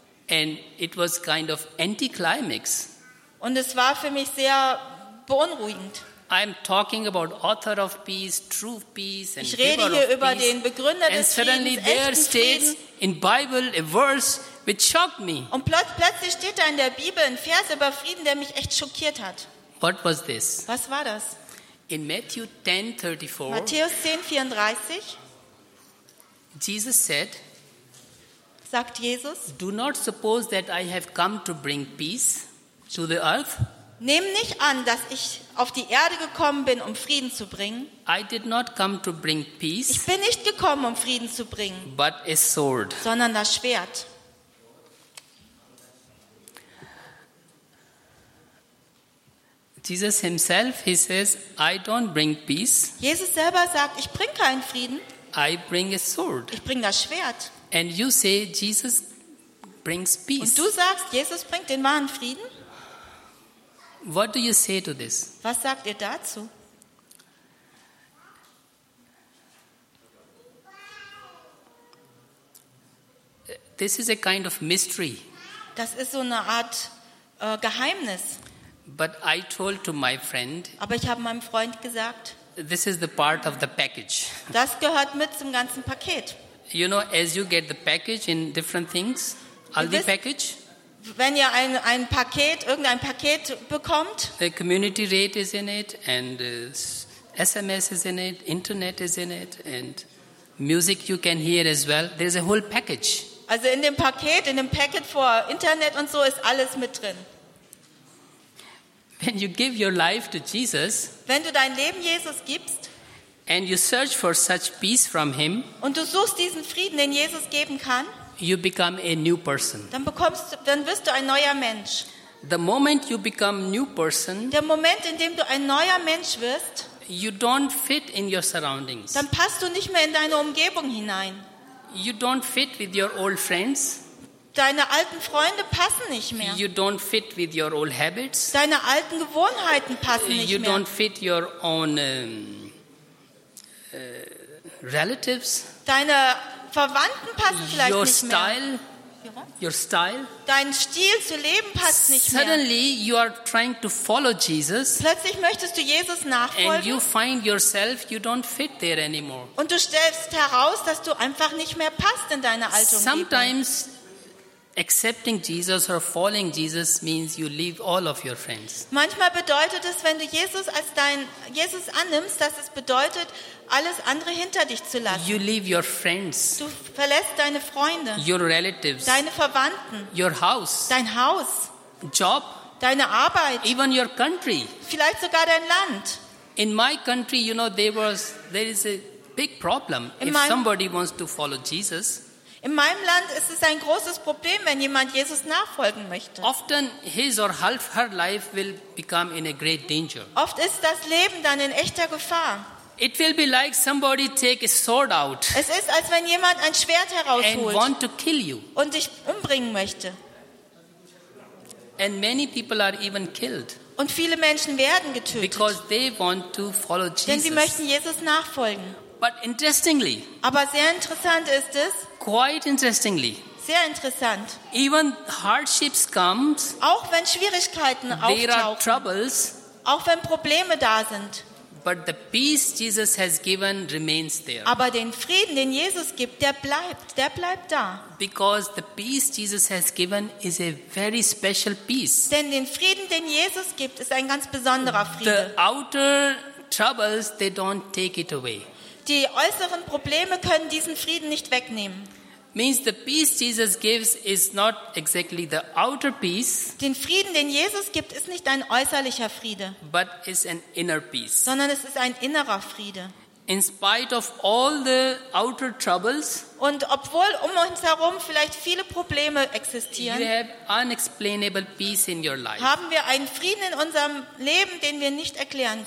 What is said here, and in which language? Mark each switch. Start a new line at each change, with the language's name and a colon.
English: And it was kind of anticlimax.
German: Und es war für mich sehr beunruhigend.
English: I'm talking about author of peace, true peace, and
German: ich rede hier über den Begründer des Friedens, echten Frieden.
English: And suddenly there states in Bible a verse which shocked me.
German: Und plötzlich steht da in der Bibel ein Vers über Frieden, der mich echt schockiert hat.
English: What was this?
German: Was war das?
English: In Matthew 10:34.
German: Matthäus 10:34.
English: Jesus said.
German: Sagt Jesus.
English: Do not suppose that I have come to bring peace to the earth.
German: Nehm nicht an, dass ich auf die Erde gekommen bin, um Frieden zu bringen.
English: I did not come to bring peace.
German: Ich bin nicht gekommen, um Frieden zu bringen.
English: But a sword.
German: Sondern das Schwert.
English: Jesus himself, he says, I don't bring peace.
German: Jesus selber sagt, ich bring keinen Frieden.
English: I bring a sword.
German: Ich bring das Schwert.
English: And you say Jesus brings peace.
German: Und du sagst, Jesus bringt den wahren Frieden?
English: What do you say to this?
German: Was sagt ihr dazu?
English: This is a kind of mystery.
German: Das ist so eine Art Geheimnis.
English: But I told to my friend.
German: Aber ich habe meinem Freund gesagt.
English: This is the part of the package.
German: Das gehört mit zum ganzen Paket.
English: You know, as you get the package in different things, all the package.
German: Wenn ihr ein Paket, irgendein Paket bekommt.
English: The community rate is in it, and SMS is in it, internet is in it, and music you can hear as well. There's a whole package.
German: Also in dem Paket vor Internet und so ist alles mit drin.
English: When you give your life to Jesus,
German: wenn du dein Leben Jesus gibst,
English: and you search for such peace from him,
German: und du suchst diesen Frieden, den Jesus geben kann,
English: you become a new person.
German: Dann wirst du ein neuer Mensch.
English: The moment you become new person,
German: der Moment, in dem du ein neuer Mensch wirst,
English: you don't fit in your surroundings.
German: Dann passt du nicht mehr in deine Umgebung hinein.
English: You don't fit with your old friends.
German: Deine alten Freunde passen nicht mehr.
English: You don't fit with your old habits.
German: Deine alten Gewohnheiten passen nicht
English: you
German: mehr.
English: You don't fit your own relatives.
German: Deine Verwandten passen vielleicht
English: your
German: nicht
English: style,
German: mehr.
English: Your style.
German: Dein Stil zu leben passt nicht
English: suddenly
German: mehr.
English: Suddenly you are trying to follow Jesus.
German: Plötzlich möchtest du Jesus nachfolgen.
English: And you find yourself you don't fit there anymore.
German: Und du stellst heraus, dass du einfach nicht mehr passt in deine alte Umgebung.
English: Sometimes accepting Jesus or following Jesus means you leave all of your friends.
German: Manchmal bedeutet es, wenn du Jesus als dein Jesus annimmst, dass es bedeutet, alles andere hinter dich zu lassen.
English: You leave your friends.
German: Du verlässt deine Freunde.
English: Your relatives.
German: Deine Verwandten.
English: Your house.
German: Dein Haus.
English: Job.
German: Deine Arbeit.
English: Even your country.
German: Vielleicht sogar dein Land.
English: In my country, you know, there is a big problem if somebody wants to follow Jesus.
German: In meinem Land ist es ein großes Problem, wenn jemand Jesus nachfolgen möchte.
English: Often his or half her life will become in a great danger.
German: Oft ist das Leben dann in echter Gefahr.
English: It will be like somebody take a sword out.
German: Es ist, als wenn jemand ein Schwert herausholt
English: and want to kill you.
German: Und dich umbringen möchte.
English: And many people are even killed.
German: Und viele Menschen werden getötet.
English: Because they want to follow Jesus.
German: Denn sie möchten Jesus nachfolgen.
English: But interestingly,
German: aber sehr interessant ist es.
English: Quite interestingly,
German: sehr interessant.
English: Even hardships comes,
German: auch wenn Schwierigkeiten
English: there
German: auftauchen,
English: are troubles,
German: auch wenn Probleme da sind.
English: But the peace Jesus has given remains there.
German: Aber den Frieden, den Jesus gibt, der bleibt da.
English: Because the peace Jesus has given is a very special peace.
German: Denn den Frieden, den Jesus gibt, ist ein ganz besonderer Friede.
English: The outer troubles, they don't take it away.
German: Die äußeren Probleme können diesen Frieden nicht wegnehmen.
English: means the peace Jesus gives is not exactly the outer peace.
German: Den Frieden, den Jesus gibt, ist nicht ein äußerlicher Friede.
English: But is an inner peace.
German: Sondern es ist ein innerer Friede.
English: In spite of all the outer troubles.
German: Und obwohl um uns herum vielleicht viele Probleme existieren.
English: You have unexplainable peace in your life.
German: Haben wir einen Frieden in unserem Leben, den wir nicht erklären können.